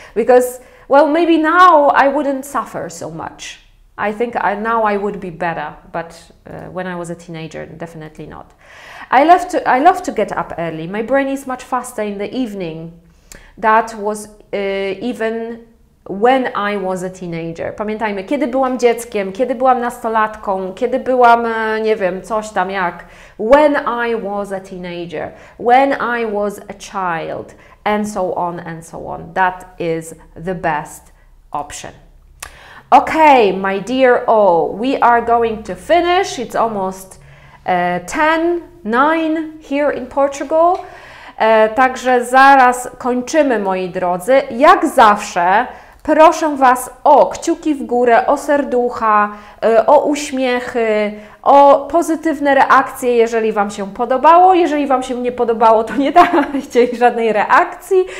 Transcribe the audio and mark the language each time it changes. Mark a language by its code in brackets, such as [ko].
[en] Because, well, maybe now I wouldn't suffer so much. I think now I would be better, but when I was a teenager, definitely not. I love to get up early. My brain is much faster in the evening. That was even when I was a teenager. [pl] Pamiętajmy, kiedy byłam dzieckiem, kiedy byłam nastolatką, kiedy byłam, nie wiem, coś tam jak. [en] When I was a teenager, when I was a child, and so on, and so on. That is the best option. Okay, my dear O, we are going to finish. It's almost 10:09 here in Portugal. [pl] Także zaraz kończymy, moi drodzy. Jak zawsze, proszę Was o kciuki w górę, o serducha, o uśmiechy, o pozytywne reakcje, jeżeli Wam się podobało. Jeżeli Wam się nie podobało, to nie dajcie żadnej reakcji.